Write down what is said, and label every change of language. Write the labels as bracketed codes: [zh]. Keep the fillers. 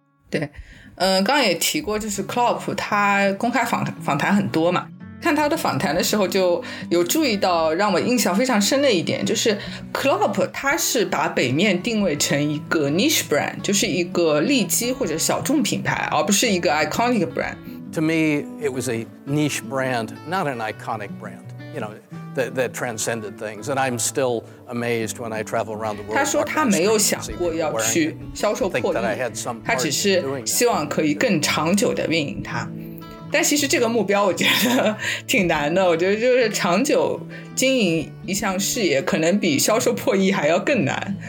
[zh] 对，嗯、呃，刚刚也提过，就是 c l o p 他公开访访谈很多嘛。看他的访谈的时候，就有注意到让我印象非常深的一点，就是 Klopp 他是把北面定位成一个 niche brand，就是一个利基或者小众品牌，而不是一个 iconic brand。 [en] To me, it was a niche brand, not an iconic brand. You know, that that transcended things, and I'm still amazed when I travel around the world. [zh] 他说他没有想过要去销售破亿，他只是希望可以更长久的运营它。但其实这个目标我觉得挺难的，我觉得就是长久经营一项事业，可能比销售破亿还要更难。